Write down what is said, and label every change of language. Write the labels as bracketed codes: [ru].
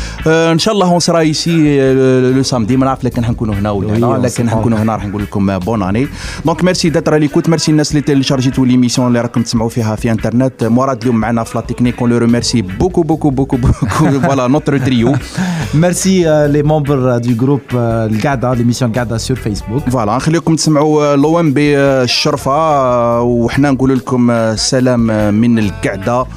[fr] Inchallah on sera ici le samedi, mais [ar] نعرف لكن حنكونوا هنا ولا لا, لكن حنكونوا هنا راح نقول لكم [fr] bonne année. Donc merci d'être à l'écoute, merci [ar] الناس اللي تيليشارجيتو [fr] l'émission [ar] اللي راكم تسمعوا فيها في انترنت. مراد اليوم معنا في لا تكنيك, [fr] on le remercie beaucoup beaucoup beaucoup beaucoup. Voilà notre trio. Merci les membres du groupe Gada, l'émission Gada sur Facebook. Voilà, on [ar] خليكم تسمعوا لومبي الشرفه وحنا نقول لكم سلام من القعده